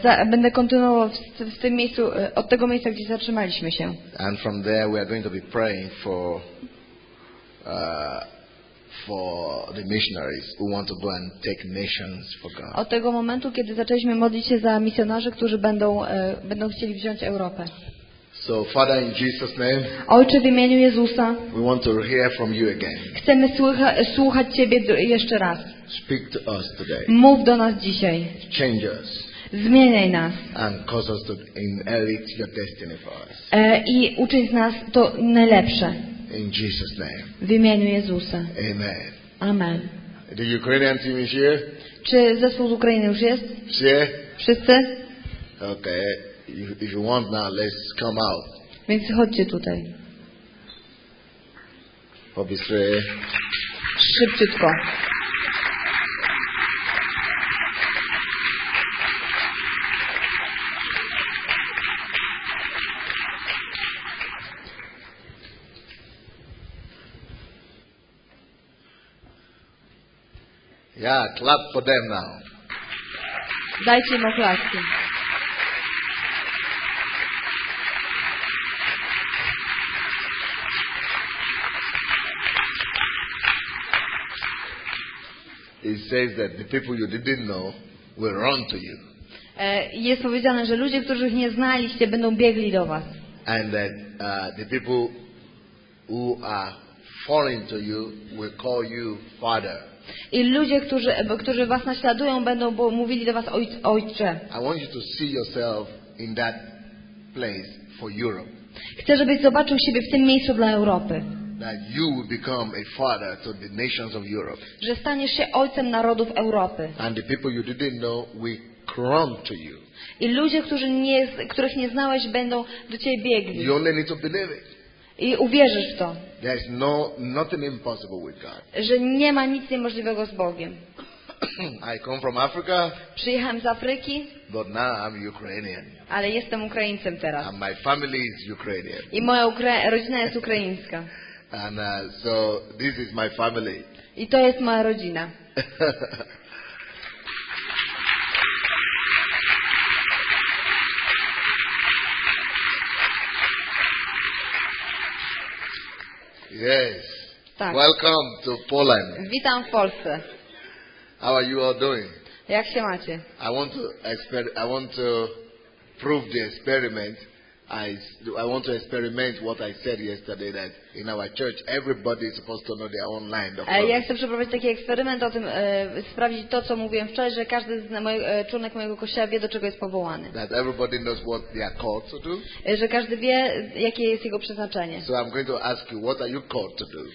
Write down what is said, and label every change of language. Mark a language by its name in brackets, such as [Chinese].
[Polish] Będę kontynuował z tym miejscu, od tego miejsca, gdzie zatrzymaliśmy się. [English] And from there we are going to be praying for the missionaries who want to go and take missions for God. [Polish] Od tego momentu, kiedy zaczęliśmy modlić się za misjonarzy, którzy będą chcieli wziąć Europę. [English] So, Father, in Jesus' name, [Polish] Ojcze, w imieniu Jezusa, [English] we want to hear from you again. [Polish] Chcemy słuchać Ciebie jeszcze raz. [English] Speak to us today. [Polish] Mów do nas dzisiaj. [English] Change us. [Polish] Zmieniaj nas. [English] And cause us to inherit your destiny for us. [Polish] I uczyń z nas to najlepsze. [English] In Jesus' name. [Polish] W imieniu Jezusa. [English] Amen. [Polish] Amen. [English] The Ukrainian team is here? [Polish] Czy zespół z Ukrainy już jest? Wszyscy? [English] Okay. If you want now, let's come out. [Polish] Więc chodźcie tutaj. [English] Obviously. [Polish] Szybciutko. [English] Yeah, clap for them now. [Polish] Dajcie im oklaski. [English] It says that the people you didn't know will run to you. [Polish] Jest powiedziane, że ludzie, których nie znaliście, będą biegli do was. [English] And that the people who are falling to you will call you father. [Polish] I ludzie, którzy was naśladują, będą mówili do was ojcze. [English] I want you to see yourself in that place for Europe. [Polish] Chcę, żebyś zobaczył siebie w tym miejscu dla Europy. [English] That you will become a father to the nations of Europe. [Polish] Że staniesz się ojcem narodów Europy. [English] And the people you didn't know will come to you. [Polish] I ludzie, których nie znałeś, będą do ciebie biegli. [English] You only need to believe it. [Polish] I uwierzysz w to. [English] There is no nothing impossible with God. [Polish] Że nie ma nic niemożliwego z Bogiem. [English] I come from Africa. [Polish] Przyjechałem z Afryki. [English] But now I'm Ukrainian. [Polish] Ale jestem Ukraińcem teraz. [English] And my family is Ukrainian. [Polish] I moja rodzina jest ukraińska. [English] And so this is my family. [Polish] I to jest moja rodzina. [English] Yes. [Polish] Tak. [English] Welcome to Poland. [Polish] Witam w Polsce. [English] How are you all doing? [Polish] Jak się macie? [English] I want to prove the experiment. I want to experiment what I said yesterday that in our church everybody is supposed to know their own line. [Polish] Ja chcę przeprowadzić taki eksperyment o tym, sprawdzić to, co mówiłem wczoraj, że każdy członek mojego kościoła wie, do czego jest powołany. [English] That everybody knows what they are called to do. [Polish] Że każdy wie, jakie jest jego przeznaczenie. [English] So I'm going to ask you, what are you called to do?